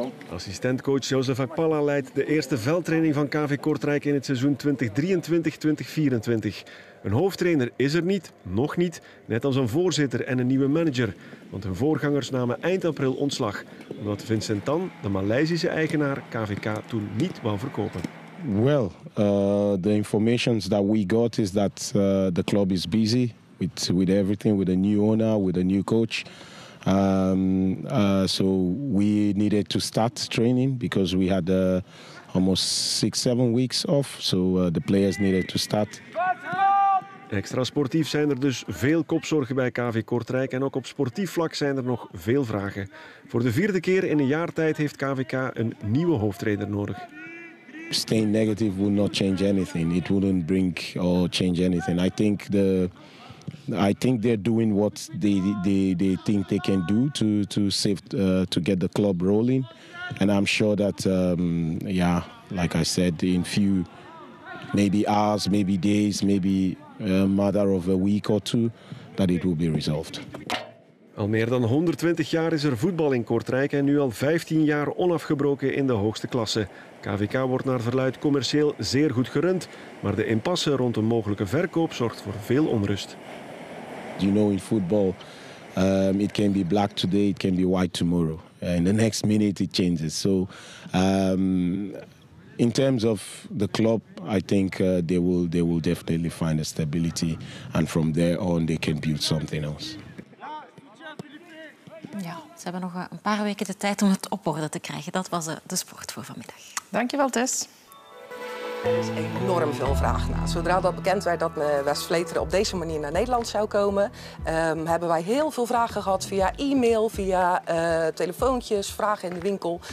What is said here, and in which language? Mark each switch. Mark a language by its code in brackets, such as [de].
[nl] Assistentcoach Joseph Akpala leidt de eerste veldtraining van KV Kortrijk in het seizoen 2023-2024. Een hoofdtrainer is er niet, nog niet, net als een voorzitter en een nieuwe manager. Want hun voorgangers namen eind april ontslag, omdat Vincent Tan, de Maleisische eigenaar, KVK toen niet wou verkopen. [en] Well, the information that we got is that the club is busy with everything, with a new owner, with a new coach. So we needed to start training because we had almost 6-7 weeks off. So the players needed to start. [nl] Extra sportief zijn er dus veel kopzorgen bij KV Kortrijk en ook op sportief vlak zijn er nog veel vragen. Voor de 4e keer in een jaar tijd heeft KVK een nieuwe hoofdtrainer nodig. [en] Staying negative would not change anything. It wouldn't bring or change anything. I think they're doing what they think they can do to get the club rolling. And I'm sure that like I said, in few maybe hours, maybe days, maybe a matter of a week or two, that it will be resolved. [nl] Al meer dan 120 jaar is er voetbal in Kortrijk en nu al 15 jaar onafgebroken in de hoogste klasse. KVK wordt naar verluid commercieel zeer goed gerund, maar de impasse rond een mogelijke verkoop zorgt voor veel onrust. [en] You know, in football, it can be black today, it can be white tomorrow. And the next minute it changes. So in terms of the club, I think they will definitely find a stability. And from there on they can build something else. [nl] Ja, ze hebben nog een paar weken de tijd om het op orde te krijgen. Dat was de sport voor vanmiddag. Dankjewel, Tess. Er is enorm veel vraag naar. Zodra dat bekend werd dat West Vleteren op deze manier naar Nederland zou komen, hebben wij heel veel vragen gehad via e-mail, via telefoontjes, vragen in de winkel.